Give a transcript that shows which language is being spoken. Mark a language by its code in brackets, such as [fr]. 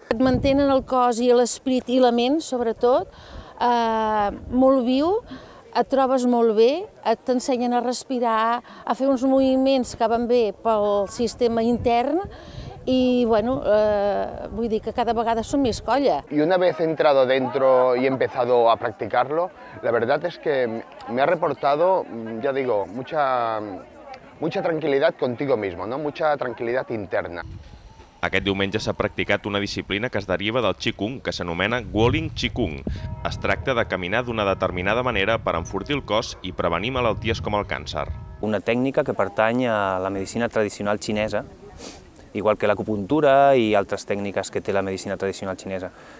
[ca] Et mantenen el cos i l'esperit i la ment, sobretot, molt viu, et trobes molt bé, t'ensenyen a respirar, a fer uns moviments que van bé pel sistema intern i, bueno, vull dir que cada vegada són més colla. [es] Y una vez entrado dentro y empezado a practicarlo, la verdad es que me ha reportado, ya digo, mucha tranquil·litat contigo mismo, no? Mucha tranquil·litat interna. [ca] Aquest diumenge s'ha practicat una disciplina que es deriva del Qigong, que s'anomena Guolin Qigong. Es tracta de caminar d'una determinada manera per enfortir el cos i prevenir malalties com el càncer. Una tècnica que pertany a la medicina tradicional xinesa, igual que l'acupuntura i altres tècniques que té la medicina tradicional xinesa.